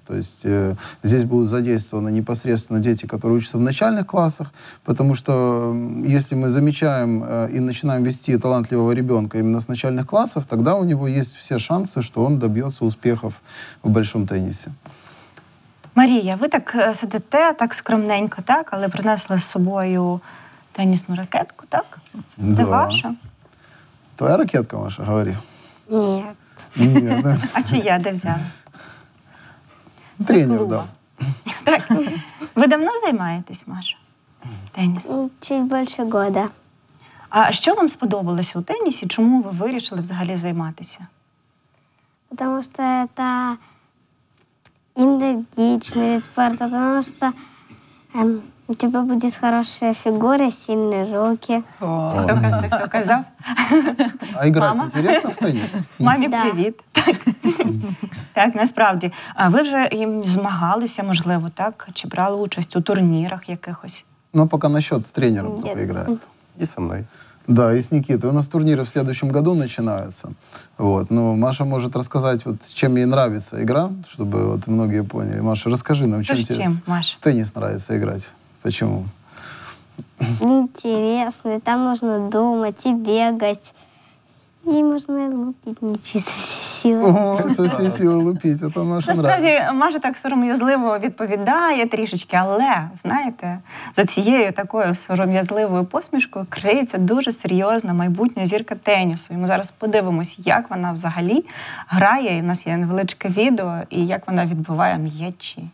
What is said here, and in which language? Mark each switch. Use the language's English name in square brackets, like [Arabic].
[Russian] То есть здесь будут задействованы непосредственно дети, которые учатся в начальных классах, потому что если мы замечаем и начинаем вести талантливого ребенка именно с начальных классов, тогда у него есть все шансы, что он добьется успехов в большом теннисе. [Ukrainian] Марія, ви так сидите, так скромненько, так? Але принесли з собою тенісну ракетку, так? Це [Russian] да. [Ukrainian] Ваша? Твоя ракетка, Маша, говори. Ні. А чи я де взяла? Тренер, да. Так. Ви давно займаєтесь, Маша, тенісом? Чуть більше года. А що вам сподобалося у тенісі? Чому ви вирішили взагалі займатися? Тому що це енергичний вид спорту, тому що у тебе буде хороша фігура, сильні руки. Це хто казав? А грати цікаво в тенісі? Мамі привіт. Так, насправді. А ви вже їм змагалися, можливо, так? Чи брали участь у турнірах якихось? Ну, поки на счет з тренером тільки грає. І зі мною. [Russian] Да, и с Никитой. У нас турниры в следующем году начинаются. Вот. Но Маша может рассказать, вот, чем ей нравится игра, чтобы вот многие поняли. Маша, расскажи нам, чем тебе в теннис нравится играть. Почему? Интересно. Там нужно думать и бегать. И можно лупить мячи со всей силы. О, со всей силы лупить. Это Маша нравится. [Ukrainian] Насправді, Маша так сором'язливо відповідає трішечки, але, знаєте, за цією такою сором'язливою посмішкою криється дуже серйозна майбутня зірка тенісу. І ми зараз подивимось, як вона взагалі грає. І в нас є невеличке відео, і як вона відбуває м'ячі.